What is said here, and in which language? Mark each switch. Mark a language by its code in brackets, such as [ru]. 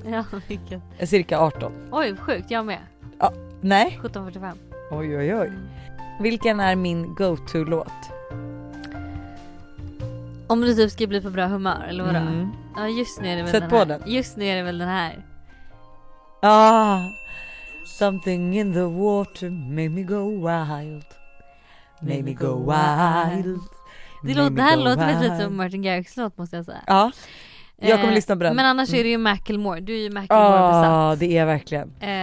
[sv] Ja, vilket? Cirka 18. Oj, sjukt, jag med. Ja, nej. 17.45. Oj, oj, oj. Vilken är min go-to-låt? Om du typ ska bli på bra humör, eller vadå? Mm. Ja, just nu är det väl sätt den på här. Den. Just nu är det väl den här. [en] Ah, something in the water made me go wild. Made me go wild. [sv] Det här låter väl lite som Martin Garrix låt, måste jag säga. Ja. Jag kommer lyssna på den. Men annars är det ju Macklemore. Du är ju Macklemore besatt. Ja, det är verkligen.